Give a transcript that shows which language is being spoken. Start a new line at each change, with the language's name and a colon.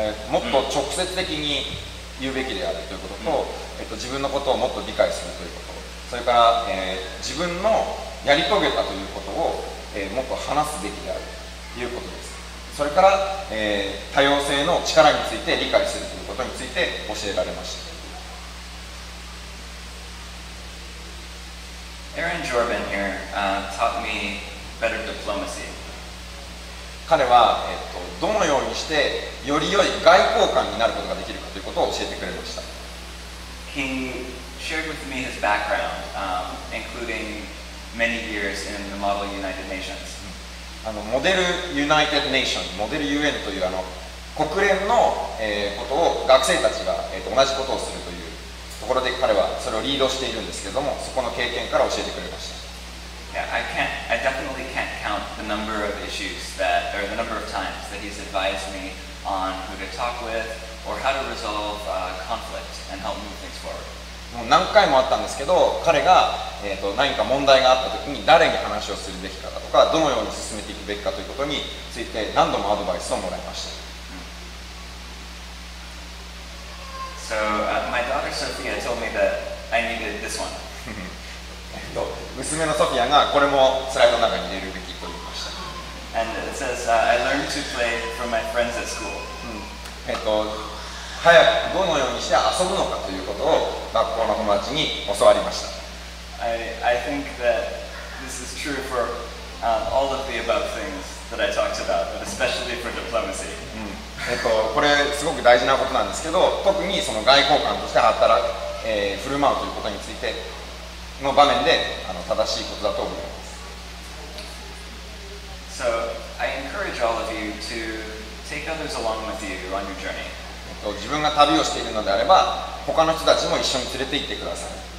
Japanese: もっと直接的に言うべきであるということと、自分のことをもっと理解するということ、それから、自分のやり遂げたということを、もっと話すべきであるということです。それから、多様性の力について理解するということについて教えられました。
English: Aaron Jorban here, taught me better diplomacy.
Japanese: 彼は、どのようにしてより良い外交官になることができるかということを教えてくれました。
English: He shared with me his background, including many years in the Model United Nations.
Japanese: モデル United Nations、モデル UN という国連の、ことを学生たちが、同じことをするというところで彼はそれをリードしているんですけども、そこの経験から教えてくれました。
English: Yeah, I definitely can't count the number of issues that, or the number of times that he's advised me on who to talk with or how to resolve conflict and help move things forward.
Japanese: もう何回もあったんですけど、彼が、何か問題があった時に誰に話をするべきかとか、どのように進めていくべきかということについて何度もアドバイスをもらいました。
English: So, my daughter Sophia told me that I needed this one.
Japanese: 娘のソフィアがこれもスライドの中に入れるべきと言いました。
English: And it says, I learned to play from my friends at school.
Japanese: 早くどのようにして遊ぶのかということを学校の友達に教わりました。
English: I think that this is true for all of the above things that I talked about, but especially for diplomacy.
Japanese: これすごく大事なことなんですけど、特にその外交官として働く、振る舞うということについて、の場面で正しいことだと思います。
English: So, I encourage all of you to take others along with you on your journey.
Japanese: 自分が旅をしているのであれば、他の人たちも一緒に連れて行ってください。